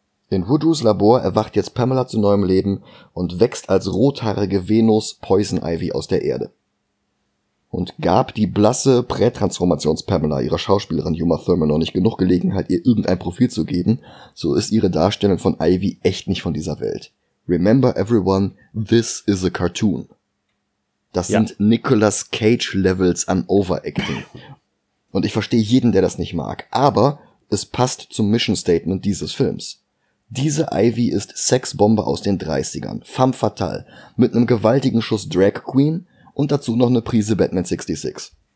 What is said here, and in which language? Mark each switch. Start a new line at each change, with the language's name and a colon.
German: In Woodrows Labor erwacht jetzt Pamela zu neuem Leben und wächst als rothaarige Venus Poison Ivy aus der Erde. Und gab die blasse Prätransformations-Pamela ihrer Schauspielerin Uma Thurman noch nicht genug Gelegenheit, ihr irgendein Profil zu geben, so ist ihre Darstellung von Ivy echt nicht von dieser Welt.
English: Remember everyone, this is a cartoon.
German: Das sind Nicolas Cage-Levels an Overacting. Und ich verstehe jeden, der das nicht mag, aber es passt zum Mission-Statement dieses Films. Diese Ivy ist Sexbombe aus den 30ern, femme fatale, mit einem gewaltigen Schuss Drag Queen und dazu noch eine Prise Batman 66.